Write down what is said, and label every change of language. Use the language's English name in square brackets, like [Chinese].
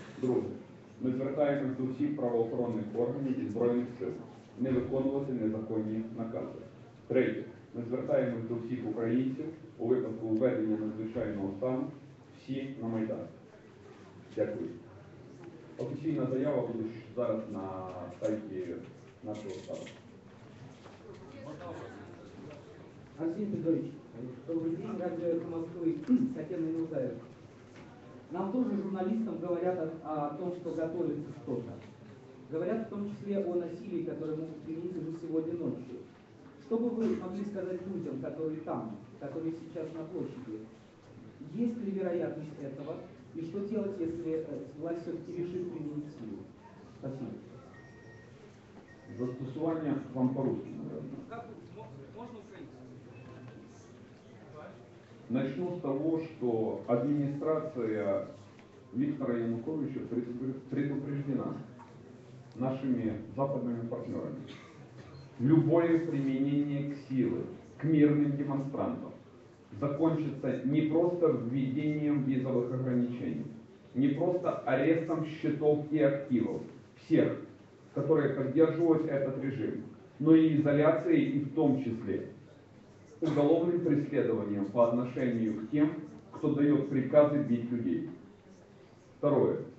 [Ukrainian] Друге, ми звертаємось до всіх правоохоронних органів і збройних сил не виконувати незаконні накази. Третє, ми звертаємось до всіх українців у випадку введення надзвичайного стану всі на Майдан. Дякую. Офіційна заява буде зараз на сайті нашого штабу. [Russian] Арсен Петрович, добрый день, радио «Эхо Москвы», Татьяна Милтаева. Нам тоже журналистам говорят о том, что готовится что-то. Говорят в том числе о насилии, которое могут применить уже сегодня ночью. Что бы вы могли сказать людям, которые там, которые сейчас на площади? Есть ли вероятность этого? И что делать, если власть все-таки решит применить силу? Спасибо. Застосування вам по-русски, наверное. Начну с того, что администрация Виктора Януковича предупреждена нашими западными партнерами. Любое применение к силы, к мирным демонстрантам закончится не просто введением визовых ограничений, не просто арестом счетов и активов всех, которые поддерживают этот режим, но и изоляцией, и в том числе уголовным преследованием по отношению к тем, кто дает приказы бить людей. Второе.